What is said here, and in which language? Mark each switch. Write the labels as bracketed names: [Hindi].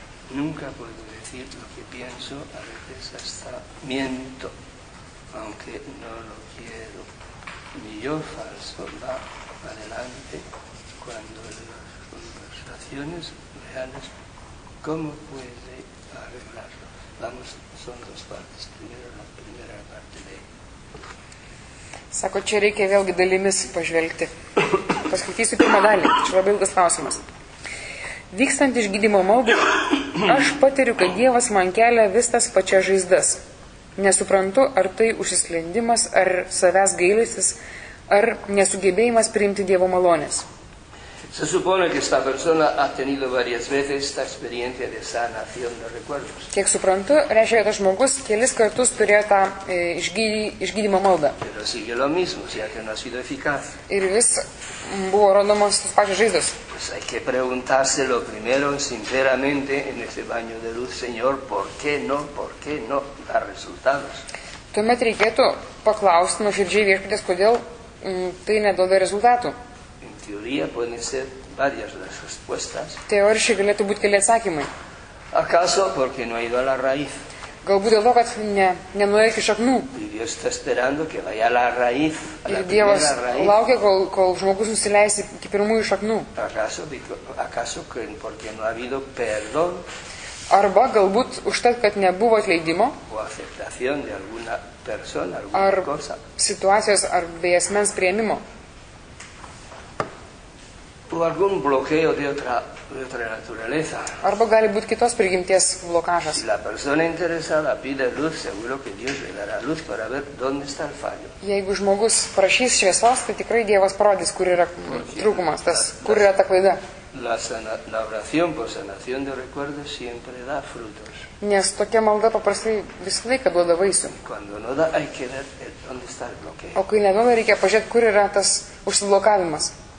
[Spanish] Nunca puedo decir lo que pienso, a veces hasta miento, aunque no lo quiero. Mi yo falso va adelante cuando en las conversaciones reales, ¿cómo puede arreglarlo? Vamos, son dos partes. Primero la primera parte de... [Lithuanian] Sako, čia reikia vėlgi dalimis pažvelgti. Paskaitysiu pirmą dalį, čia labai ilgas klausimas. Vykstant iš gydymo maldų, aš patiriu, kad Dievas man kelia vis tas pačias žaizdas. Nesuprantu, ar tai užsisklendimas, ar savęs gailestis, ar nesugebėjimas priimti Dievo malonės. [Spanish] Se supone que esta persona ha tenido varias veces esta experiencia de sanación de recuerdos. [Lithuanian] Kiek suprantu, reiškia, kad žmogus kelis kartus turėjo tą išgydymo maldą. [Spanish] Pero sigue lo mismo, ya que no ha sido eficaz. [Lithuanian] Ir vis buvo rodomas tos pačios žaizdos. [Spanish] Pues hay que preguntárselo primero sinceramente en ese baño de luz, Señor, ¿por qué no da resultados? [Lithuanian] Tuomet reikėtų paklausti nuoširdžiai viešpaties, kodėl tai neduoda rezultatų. [Spanish] Teoría pueden ser varias las respuestas. [Lithuanian] Teoriškai galėtų būti keli atsakymai. [Spanish] ¿Acaso porque no ha ido a la raíz? [Lithuanian] Galbūt dėl to, kad nenuėjo iki šaknų. [Spanish] Dios está esperando que vaya a la raíz, a la primera raíz. [Lithuanian] Laukia, kol žmogus nusileis iki pirmųjų šaknų. [Spanish] ¿Acaso porque no ha habido perdón? [Lithuanian] Arba galbūt užtat, kad nebuvo atleidimo. [Spanish] O aceptación de alguna persona, cosa. [Lithuanian] Situacijos ar bei asmens priėmimo. [Spanish] O algún bloqueo de otra naturaleza. [Lithuanian] Arba gali būti kitos prigimties blokažas. [Spanish] Si la persona interesada pide luz, seguro que Dios le dará luz para ver dónde está el fallo. [Lithuanian] Jeigu žmogus prašys šviesos, tai tikrai Dievas parodys, kur yra trūkumas, kur yra ta klaida. [Spanish] La oración por sanación de recuerdos siempre da frutos. [Lithuanian] Nes tokia malda paprastai visą laiką duoda vaisių. [Spanish] Cuando no da, hay que ver dónde está el bloqueo. [Lithuanian] O kai neduoda, reikia pažiūrėti, kur yra tas užsiblokavimas.